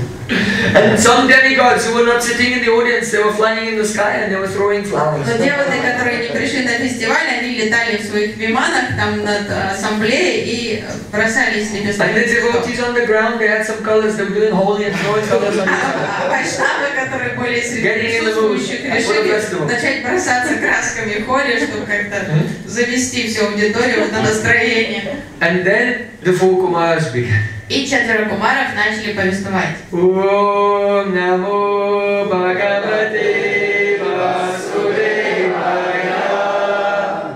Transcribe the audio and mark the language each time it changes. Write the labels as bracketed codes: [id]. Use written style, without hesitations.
[en] And some demigods who were not sitting in the audience, they were flying in the sky and they were throwing flowers. [ru] Но девоты, которые не пришли на фестиваль, они летали в своих виманах там над ассамблеей и бросались на [en] песок. And the devotees on the ground, they had some colors, they were doing holy and throwing colors on the ground. [ru] Которые были среди присутствующих, решили начать бросаться красками в хоре, чтобы как-то завести всю аудиторию на настроение. [en] And then the four kumaras began. [ru] И четверо кумаров начали повествовать. [sa] Ом намо Бхагавате Васудевая.